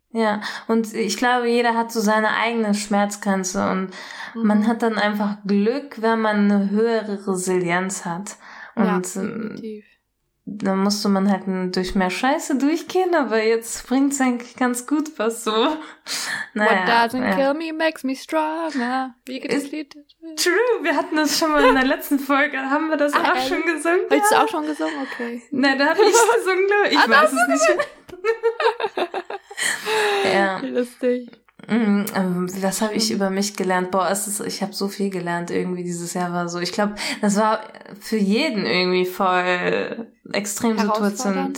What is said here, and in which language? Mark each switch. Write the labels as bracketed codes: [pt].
[de] Ja, und ich glaube, jeder hat so seine eigene Schmerzgrenze und man hat dann einfach Glück, wenn man eine höhere Resilienz hat. Und dann musste man halt durch mehr Scheiße durchgehen, aber jetzt bringt es eigentlich ganz gut was so. Naja, [en] what doesn't kill me makes me stronger. [de] Wie geht das Lied? True, wir hatten das schon mal in der letzten Folge, haben wir das auch schon gesungen? Hast du auch schon gesungen? Okay. Nein, da habe ich gesungen, glaube ich. Weiß es nicht. Ja. Lustig. Was habe ich über mich gelernt? Boah, ich habe so viel gelernt irgendwie dieses Jahr war so. Ich glaube, das war für jeden irgendwie voll extrem Situation.